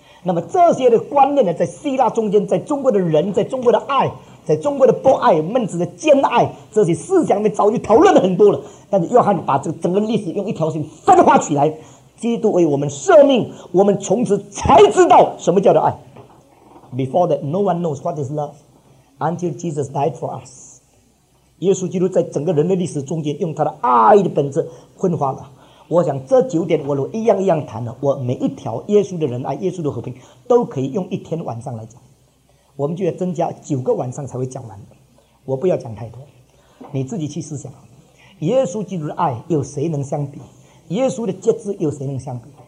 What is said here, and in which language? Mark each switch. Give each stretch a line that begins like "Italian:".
Chinese: 那么这些的观念呢，在希腊中间，在中国的人，在中国的爱，在中国的博爱、孟子的兼爱，这些思想里面早就讨论了很多了。但是约翰把这个整个历史用一条线分化起来。基督为我们舍命，我们从此才知道什么叫做爱。
English: Before that no one knows what is love until Jesus died for us。
Chinese: 耶稣基督在整个人类历史中间用他的爱的本质分化了。我想这九点我如果一样一样谈了，我每一条耶稣的仁爱、耶稣的和平都可以用一天晚上来讲，我们就要增加九个晚上才会讲完。我不要讲太多，你自己去思想耶稣基督的爱有谁能相比，耶稣的节制有谁能相比？